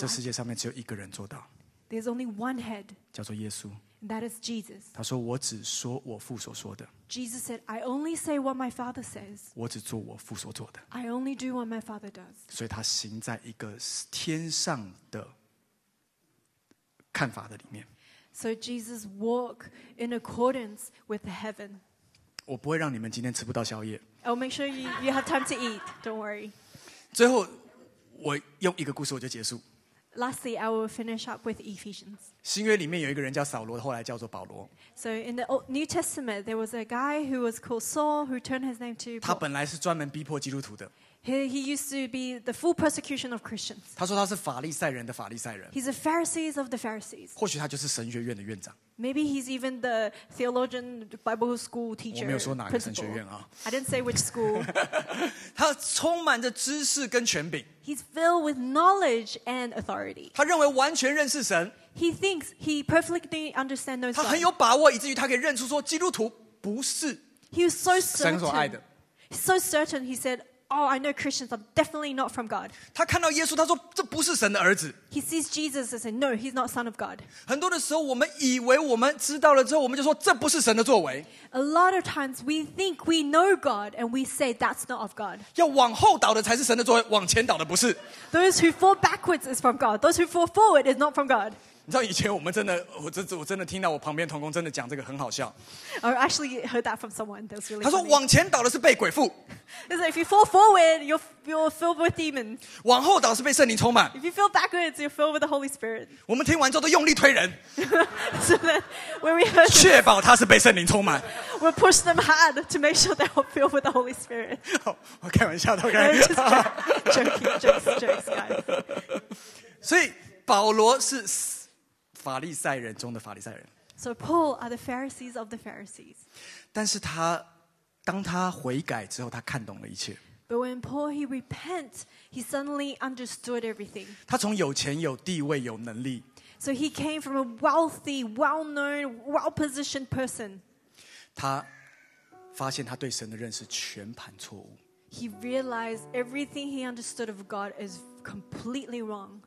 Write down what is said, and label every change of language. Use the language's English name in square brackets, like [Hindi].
[Chinese] 这世界上面只有一个人做到。 [English] There's only one head. [Chinese] 叫做耶稣。 [English] That is Jesus. [Chinese] 他说：“我只说我父所说的。” [English] Jesus said, "I only say what my Father says." [Chinese] 我只做我父所做的。 [English] I only do what my Father does. [Chinese] 所以他行在一个天上的看法的里面。 [English] So Jesus walk in accordance with the heaven. [Chinese] 我不会让你们今天吃不到宵夜。 [English] I'll make sure you have time to eat. Don't worry. [Chinese] 最后，我用一个故事我就结束。 [English] Lastly, I will finish up with Ephesians. [Chinese] 新约里面有一个人叫扫罗，后来叫做保罗。 [English] So in the Old New Testament, there was a guy who was called Saul, who turned his name to. [Chinese] 他本来是专门逼迫基督徒的。 [English] He used to be the full persecution of Christians. [Chinese] 他说他是法利赛人的法利赛人。 [English] He's a Pharisees of the Pharisees. [Chinese] 或许他就是神学院的院长。 [English] Maybe he's even the theologian Bible school teacher. [Chinese] 我没有说哪个神学院啊。 [English] I didn't say which school. [Chinese] 他充满着知识跟权柄。 [English] He's filled with knowledge and authority. [Chinese] 他认为完全认识神。 [English] He thinks he perfectly understands those. [Chinese] 他很有把握，以至于他可以认出说基督徒不是神所爱的。 [English] He was so certain. He said, Oh, I know Christians are definitely not from God. [Chinese] 他看到耶稣，他说这不是神的儿子。 [English] He sees Jesus and says, "No, he's not son of God." [Chinese] 很多的时候，我们以为我们知道了之后，我们就说这不是神的作为。 [English] A lot of times we think we know God and we say that's not of God. [Chinese] 要往后倒的才是神的作为，往前倒的不是。 [English] Those who fall backwards is from God. Those who fall forward is not from God. [Chinese] 你知道以前我们真的，我真的听到我旁边同工真的讲这个很好笑。 [English] I actually heard that from someone. That's really. [Chinese] 他说往前倒的是被鬼附。 [English] Is if you fall forward, you're filled with demons. [Chinese] 往后倒是被圣灵充满。 [English] If you fall backwards, you're filled with the Holy Spirit. [Chinese] 我们听完之后都用力推人。 [English] So that when we heard, [Chinese] 确保他是被圣灵充满。 [English] We push them hard to make sure they are filled with the Holy Spirit. [Chinese] 我开玩笑的 ，OK. [English] Joking, jokes, guys. [Chinese] 所以保罗是法利赛人中的法利赛人。 [English] So Paul are the Pharisees of the Pharisees. [Chinese] 但是他当他悔改之后，他看懂了一切。 [English] But when Paul he repents, he suddenly understood everything. [Chinese] 他从有钱、有地位、有能力。 [English] So he came from a wealthy, well-known, well-positioned person. [Chinese] 他发现他对神的认识全盘错误。 [English] He realized everything he understood of God is completely wrong.